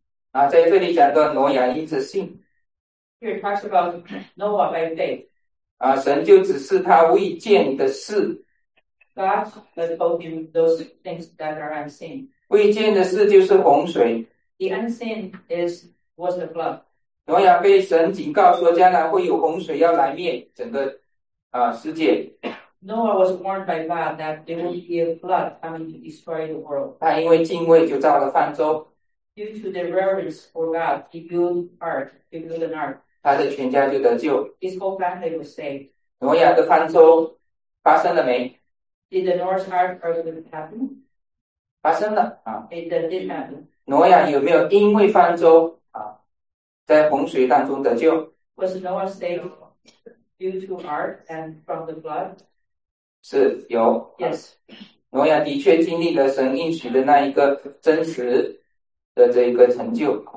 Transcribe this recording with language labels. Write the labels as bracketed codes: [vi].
[zh] 啊，在这里讲到挪亚因着信。 [en] Here talks about Noah by faith. [zh] 啊，神就指示他未见的事。 [en] God has told him those things that are unseen. [zh] 未见的事就是洪水。 [en] The unseen is was the flood. [zh] 挪亚被神警告说，将来会有洪水要来灭整个啊世界。 [en] Noah was warned by God that there would be a flood coming to destroy the world. [zh] 他因为敬畏就造了方舟。 [en] Due to the reverence for God, he built ark. He built an ark. [zh] 他的全家就得救。 [en] His whole family was saved. [zh] 挪亚的方舟发生了没？ [en] Did the Noah's ark earthquake happen? [zh] 发生了啊。 [en] It did happen. [zh] 挪亚有没有因为方舟啊，在洪水当中得救？ [en] Was Noah saved due to ark and from the flood? [zh] 是有 [en] ，yes， [zh] 挪亚的确经历了神应许的那一个真实的这一个成就。